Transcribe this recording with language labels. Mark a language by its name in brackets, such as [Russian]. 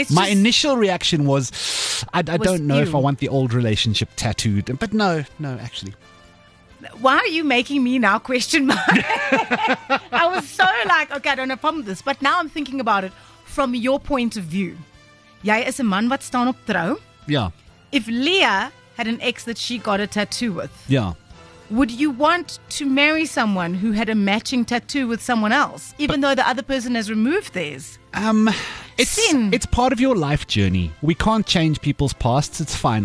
[English] My initial reaction was, I don't know if I want the old relationship tattooed. But no, actually. Why are you making me now question my... I was so like, okay, I don't have a problem with this. But now I'm thinking about it from your point of view. [Afrikaans] Jy is 'n man wat staan op trou. [English] Yeah. If Leah had an ex that she got a tattoo with. Yeah. Would you want to marry someone who had a matching tattoo with someone else, even though the other person has removed theirs? It's part of your life journey. We can't change people's pasts. It's fine.